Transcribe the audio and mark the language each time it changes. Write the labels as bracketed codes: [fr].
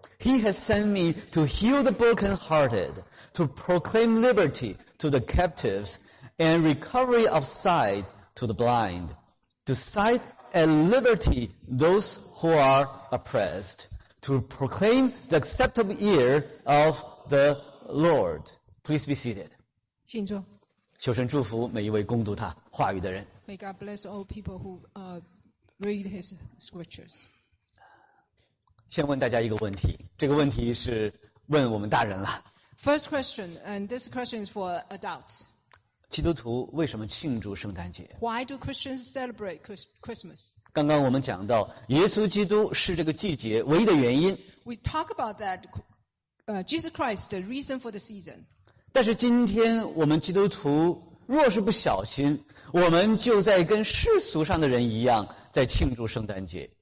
[en] He has sent me to heal the brokenhearted, to proclaim liberty to the captives, and recovery of sight to the blind, to sightand liberty those who are oppressed, to proclaim the acceptable year of the Lord. Please be seated. [zh] 请坐。求神祝福每一位攻读他话语的人。 [en] May God bless all people who read his scriptures. [zh] 先问大家一个问题，这个问题是问我们大人了。 [en] First question, and this question is for adults. [zh] 基督徒为什么庆祝圣诞节？ [en] Why do Christians celebrate Christmas? [zh] 刚刚我们讲到耶稣基督是这个季节唯一的原因。 [en] We talk about that Jesus Christ, the reason for the season. [zh] 但是今天我们基督徒若是不小心，我们就在跟世俗上的人一样在庆祝圣诞节。